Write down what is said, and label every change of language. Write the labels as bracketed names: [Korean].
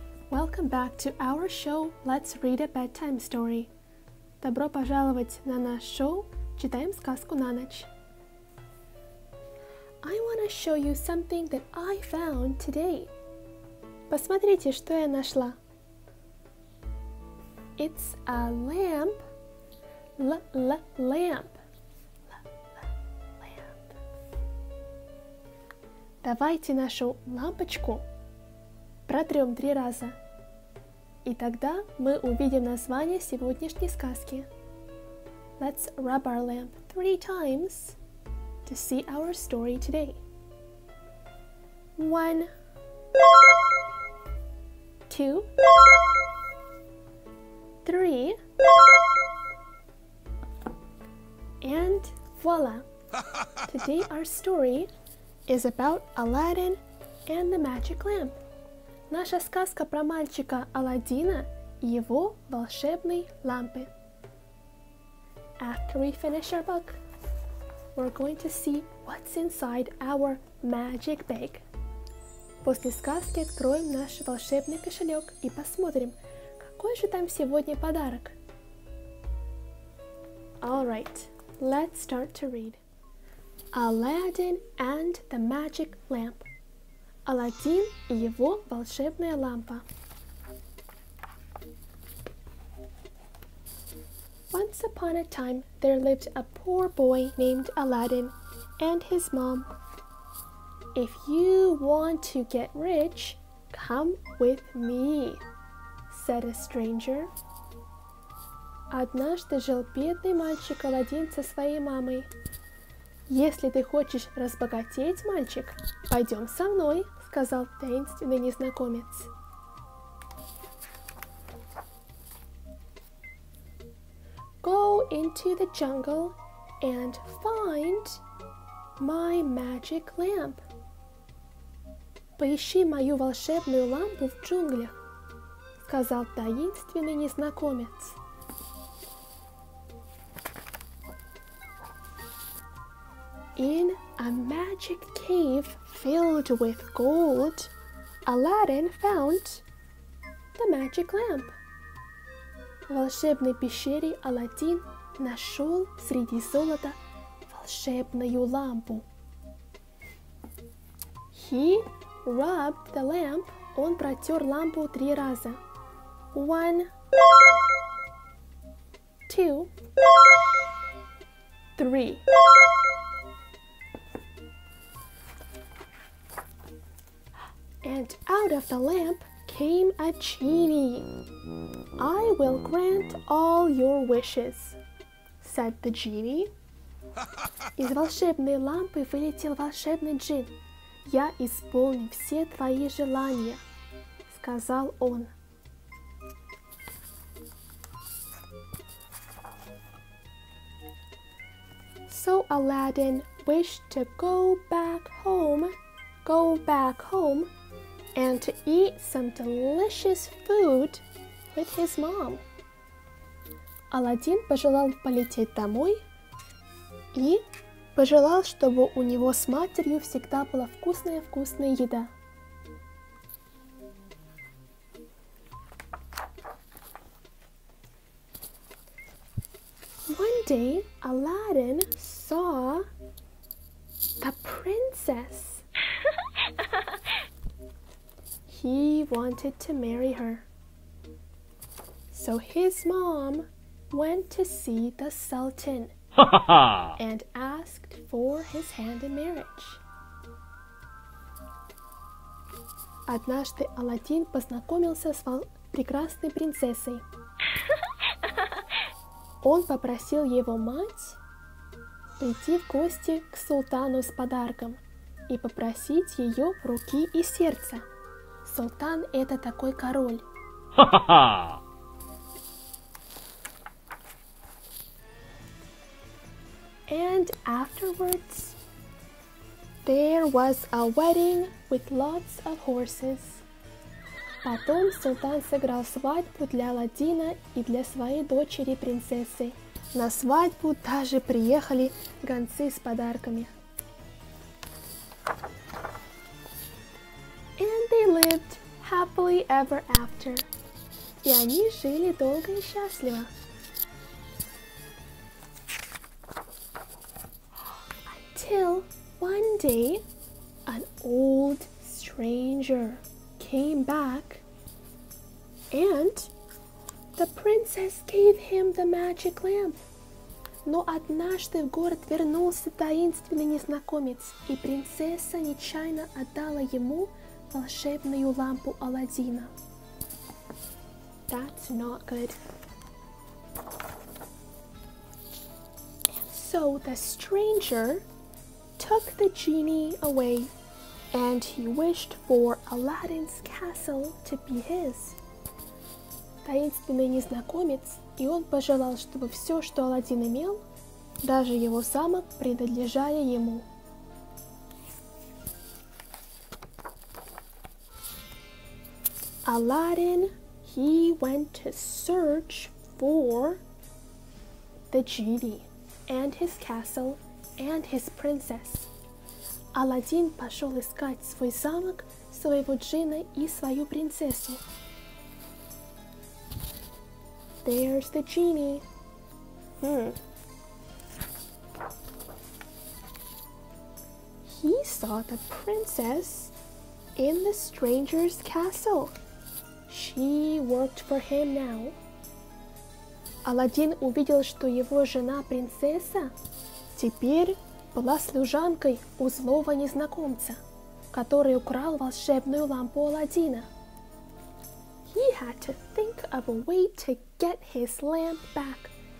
[English] Welcome back to our show, Let's Read a Bedtime Story. [Russian] Добро пожаловать на наш шоу, читаем сказку на ночь. [English] I want to show you something that I found today. [Russian] Посмотрите, что я нашла. [English] It's a lamp. Lamp. [Russian] Давайте нашу лампочку протрем три раза. И тогда мы увидим название сегодняшней сказки. [English] Let's rub our lamp three times to see our story today. One. Two. Three. And voila! Today our story is about Aladdin and the magic lamp. [Russian] Наша сказка про мальчика Аладдина и его волшебные лампы. [English] After we finish our book, we're going to see what's inside our magic bag. [Russian] После сказки откроем наш волшебный кошелек и посмотрим, какой же там сегодня подарок. [English] All right, let's start to read. Aladdin and the Magic Lamp. [Russian] Aladdin и его волшебная лампа. [English] Once upon a time, there lived a poor boy named Aladdin and his mom. If you want to get rich, come with me, said a stranger. [Russian] Однажды жил бедный мальчик Аладдин со своей мамой. «Если ты хочешь разбогатеть, мальчик, пойдем со мной», — сказал таинственный незнакомец. [English] «Go into the jungle and find my magic lamp». [Russian] «Поищи мою волшебную лампу в джунглях», — сказал таинственный незнакомец. [English] In a magic cave filled with gold, Aladdin found the magic lamp. [Russian] В волшебной пещере Аладдин нашел среди золота волшебную лампу. [English] He rubbed the lamp. [Russian] Он протер лампу три раза. [English] One, two, three. And out of the lamp came a genie. I will grant all your wishes, said the genie. [Russian] Из волшебной лампы вылетел волшебный джин. Я исполню все твои желания, сказал он. [English] So Aladdin wished to go back home. Go back home. And to eat some delicious food with his mom. [Russian] Аладдин пожелал полететь домой и пожелал, чтобы у него с матерью всегда была вкусная-вкусная еда. [English] One day Aladdin saw the princess. He wanted to marry her. So his mom went to see the Sultan and asked for his hand in marriage. [Russian] Однажды Аладдин познакомился с прекрасной принцессой. Он попросил его мать прийти в гости к султану с подарком и попросить ее руки и сердце. Султан — это такой король. [English] And afterwards, there was a wedding with lots of horses. [Russian] Потом султан сыграл свадьбу для Аладдина и для своей дочери принцессы. На свадьбу даже приехали гонцы с подарками. [English] lived happily ever after. [Russian] И они жили долго и счастливо. [English] Until one day, an old stranger came back and the princess gave him the magic lamp. [Russian] Но однажды в город вернулся таинственный незнакомец, и принцесса нечаянно отдала ему волшебную лампу Аладдина. [English] That's not good. And so the stranger took the genie away, and he wished for Aladdin's castle to be his. [Russian] Таинственный незнакомец, и он пожелал, чтобы все, что Аладдин имел, даже его замок, принадлежали ему. [English] Aladdin, he went to search for the genie and his castle and his princess. [Russian] Аладдин пошел искать свой замок, своего джина и свою принцессу. [English] There's the genie. He saw the princess in the stranger's castle. She worked for him now. [Russian] Аладдин увидел, что его жена принцесса теперь была служанкой у злого незнакомца, который украл волшебную лампу Аладдина. [English] He had to think of a way to get his lamp back.